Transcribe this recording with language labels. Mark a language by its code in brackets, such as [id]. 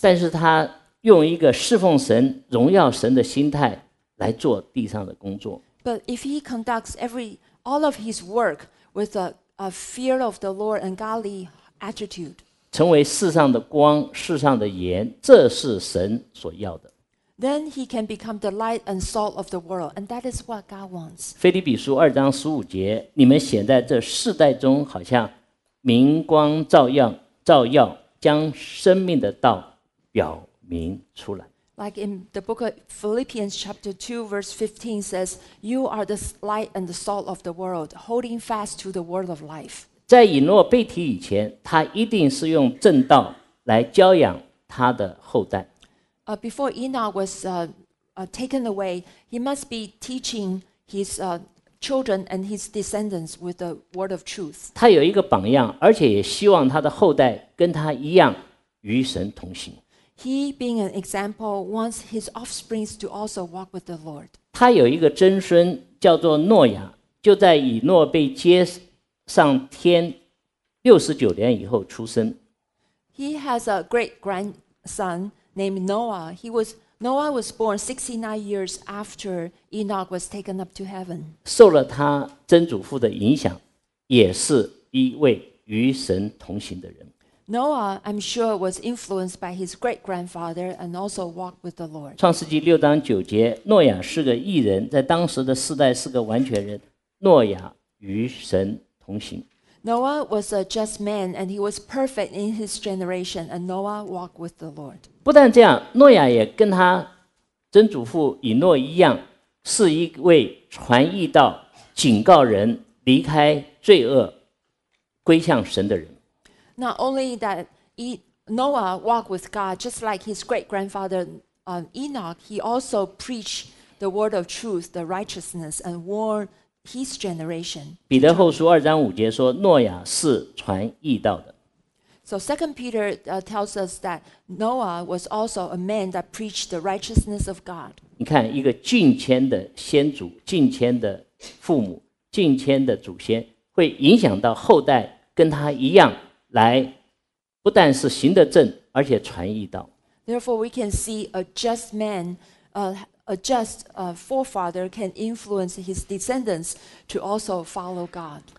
[zh] 但是他用一个侍奉神、荣耀神的心态来做地上的工作。 [en] But if he conducts all of his work with a fear of the Lord and godly attitude. [zh] 成为世上的光，世上的盐，这是神所要的。 [en] Then he can become the light and salt of the world, and that is what God wants. [zh] 腓立比书二章十五节，你们显在这世代中，好像明光照耀，照耀将生命的道表明出来。 [en] Like in the book of Philippians chapter 2 verse 15 says, You are the light and the salt of the world, holding fast to the word of life. [zh] 在以诺被提以前，他一定是用正道来教养他的后代。 [en] Before Enoch was taken away, he must be teaching his children and his descendants with the word of truth. [zh] 他有一个榜样，而且也希望他的后代跟他一样与神同行。 [en] He, being an example, wants his offsprings to also walk with the Lord. [zh] 他有一个曾孙叫做诺亚，就在以诺被接上天69年以后出生。 [en] He has a great grandson named Noah. Noah was born 69 years after Enoch was taken up to heaven. [zh] 受了他曾祖父的影响，也是一位与神同行的人。 [en] Noah, I'm sure, was influenced by his great-grandfather and also walked with the Lord. [zh] 创世纪六章九节，诺亚是个义人，在当时的世代是个完全人。诺亚与神同行。 [en] Noah was a just man, and he was perfect in his generation, and Noah walked with the Lord. [zh] 不但这样，诺亚也跟他曾祖父以诺一样，是一位传义道、警告人离开罪恶、归向神的人。 [en] Not only that Noah walked with God, just like his great-grandfather Enoch, he also preached the word of truth, the righteousness, and warned his generation. [zh] 彼得后书二章五节说，诺亚是传义道的。 [en] So 2 Peter tells us that Noah was also a man that preached the righteousness of God. [zh] 你看，一个敬虔的先祖、敬虔的父母、敬虔的祖先，会影响到后代跟他一样来，不但是行得正，而且传义道。 [en] Therefore, we can see a just man, forefather can influence his descendants to also follow God.